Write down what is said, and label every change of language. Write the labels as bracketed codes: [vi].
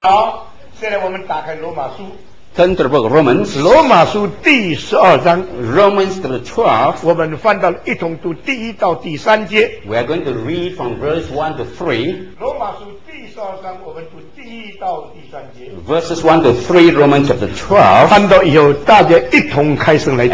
[zh] 好，现在我们打开罗马书。 [en] Thunderbolt Romans， [zh] 罗马书第十二章 [en] ，Romans the 12th， [zh] 我们翻到了一同读第一到第三节。 [en] We are going to read from verse 1 to 3。 [zh] 罗马书第十二章，我们读第一到第三节。 [en] Verses 1 to 3, Romans of the 12th。 [zh] 翻到以后，大家一同开声来读。